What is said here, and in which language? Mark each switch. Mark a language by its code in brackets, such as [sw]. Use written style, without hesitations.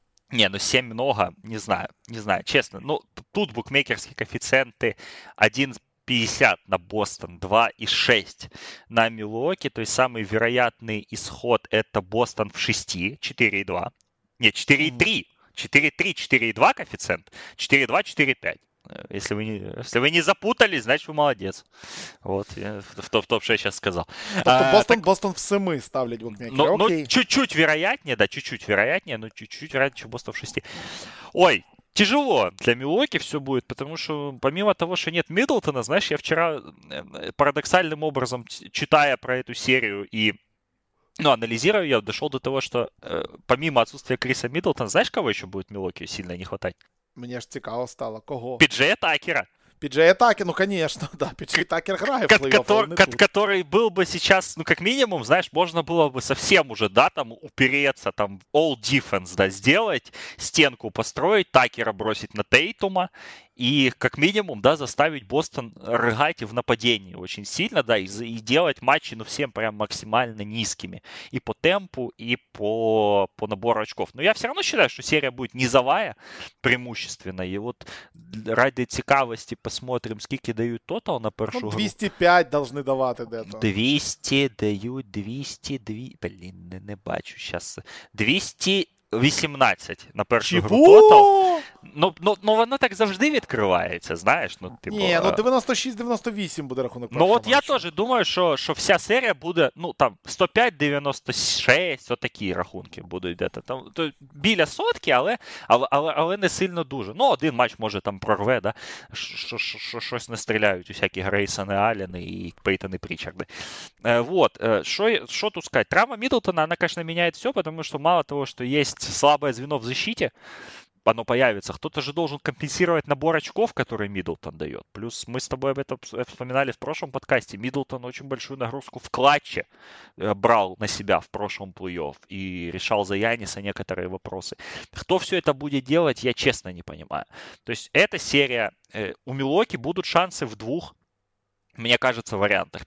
[uk] Ні, ну 7 много, не знаю, чесно. Ну, тут букмекерські коефіцієнти 1.50 на Бостон, 2.6 на Мілуокі. Той самий вероятний ісход – це Бостон в 6, 4.2. Ні, 4.3. 4.3, 4.2 коефіцієнт, 4.2, 4.5. [ru] Если вы не запутались, значит, вы молодец. Вот, в то, что я сейчас сказал. Бостон в семи ставлять букмекеры. Ну, чуть-чуть вероятнее, чем Бостон в шести. Ой, тяжело для Милуоки все будет, потому что помимо того, что нет Миддлтона, знаешь, я вчера парадоксальным образом, читая про эту серию и анализируя ее, дошел до того, что помимо отсутствия Криса Миддлтона, знаешь, кого еще будет Милуоки сильно не хватать? [uk] Мені ж цікаво стало, кого? Піджея Такера. Піджея Такера, ну, звісно, да. Піджея Такер грає в плей-офф. [ru] Который був би сейчас, [uk] ну, як мінімум, знаєш, [ru] можна було б совсем уже, да, там, упереться, там, [en] all defense, [ru] да, сделать, стенку построить, Такера бросить на Тейтума И, как минимум, да, заставить Бостон рыгать в нападении очень сильно, да, и делать матчи, ну, всем прям максимально низкими. И по темпу, и по набору очков. Но я все равно считаю, что серия будет низовая преимущественно. И вот ради цікавості посмотрим, скільки дают тотал на першу гру. 205 должны давати где-то. 200 дают, 202... Блин, не бачу сейчас. [uk] 218 на першу [ru] Чего? [uk] Гру тотал. Ну, воно так завжди відкривається, знаєш. Ну, типу, ні, ну 96-98 буде рахунок. Ну, от я теж думаю, що вся серія буде, ну, там, 105-96, отакі рахунки будуть де-то. Там, то біля сотки, але не сильно дуже. Ну, один матч, може, там прорве, да? Щось не стріляють усякі Грейсони, Аліни і Пейтони Прічарди. Вот, що тут сказати? Травма Міддлтона, вона, звісно, міняє все, тому що мало того, що є слабе звіно в защиті, [ru] оно появится. Кто-то же должен компенсировать набор очков, которые Миддлтон дает. Плюс мы с тобой об этом вспоминали в прошлом подкасте. Миддлтон очень большую нагрузку в клатче брал на себя в прошлом плей-офф и решал за Яниса некоторые вопросы. Кто все это будет делать, я честно не понимаю. То есть эта серия, у Милоки будут шансы в двух, мне кажется, вариантах.